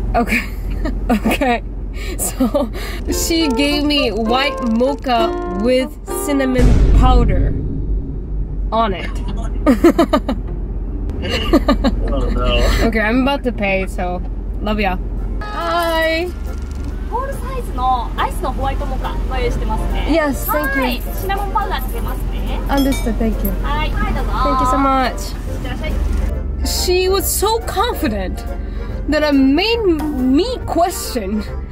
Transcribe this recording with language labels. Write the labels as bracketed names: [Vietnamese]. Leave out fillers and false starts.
[English] Okay. Okay. So she gave me white mocha with cinnamon powder on it. Oh no. Okay, I'm about to pay, so love ya. Hi. [Japanese] ホールサイズのアイスのホワイトモカ、ご用意してますね。 [English] Yes, thank you. [Japanese] シナモンパウダーつけますね。 [English] Understood. Thank you. Thank you so much. She was so confident that I made me question.